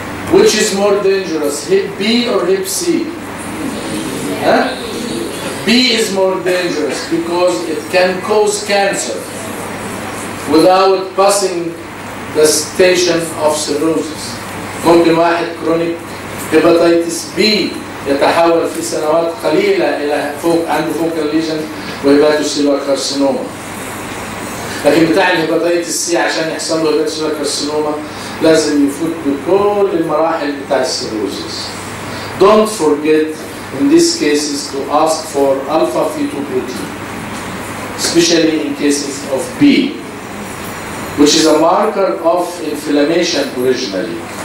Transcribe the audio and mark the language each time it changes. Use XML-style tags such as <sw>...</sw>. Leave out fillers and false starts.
<en>Which is more dangerous, hep B or hep C? B is more dangerous because it can cause cancer without passing the station of cirrhosis.</en> <ar>كل واحد كرونيك هيباتيتس B يتحول في سنوات قليلة إلى فوق عنده فوق الليجن وهيباتوسيلولار كارسينوما. لكن بتاع الهيباتيتس C عشان يحصل له هيباتوسيلولار كارسينوما لازم يفوت بكل المراحل بتاع السيروزيس.</ar> <en>Don't forget in these cases to ask for alpha fetoprotein, especially in cases of B, which is a marker of inflammation originally.</en>